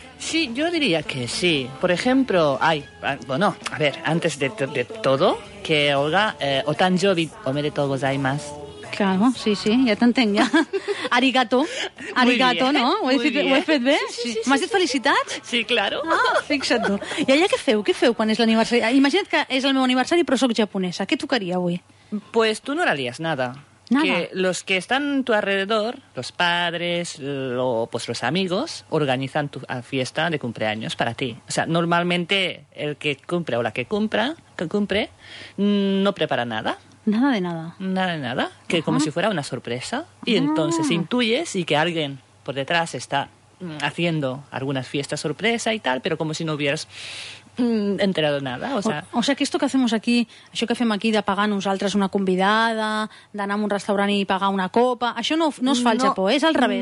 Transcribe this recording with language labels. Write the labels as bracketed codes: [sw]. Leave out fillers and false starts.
[es] Sí, yo diría que sí. Por ejemplo, ay, bueno, a ver, antes de todo, que Olga, [ja] otanjobi, omedetou gozaimasu. [ca] Claro, sí, sí, ja t'entenc, ja. [ja] Arigato, arigato, [ca] no? Ho he fet bé? Sí, sí, sí, sí. M'has dit felicitats? [es] Sí, claro. [ca] Ah, fixa't tu. I allà què feu? Què feu quan és l'aniversari? Imagina't que és el meu aniversari però soc japonesa. Què tocaria avui? [es] Pues tú no harías nada. Nada. Que los que están a tu alrededor, los padres, los amigos, organizan tu fiesta de cumpleaños para ti. O sea, normalmente el que cumple o la que cumple, no prepara nada. Nada de nada. Nada de nada, que ajá. Como si fuera una sorpresa. Y ah. Entonces intuyes y que alguien por detrás está haciendo algunas fiestas sorpresa y tal, pero como si no hubieras enterado nada. O sea que esto que hacemos aquí, [ca] això que fem aquí de pagar nosaltres una convidada, d'anar a un restaurant i pagar una copa, això no es fa al Japó, és al revés.